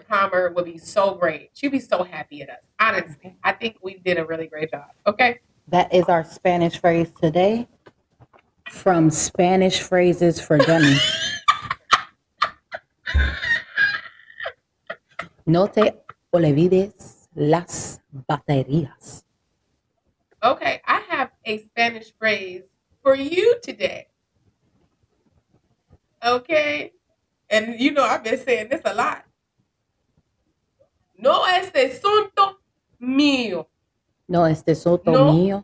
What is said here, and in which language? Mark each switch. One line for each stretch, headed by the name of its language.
English: Palmer would be so great. She'd be so happy at us. Honestly, I think we did a really great job. Okay? That is our Spanish phrase today from Spanish Phrases for Dummies.
Spanish: No te olvides las baterías.
English: Okay, I have a Spanish phrase for you today. Okay? And you know I've been saying this a lot.
Spanish: No es asunto mío. No es asunto mío.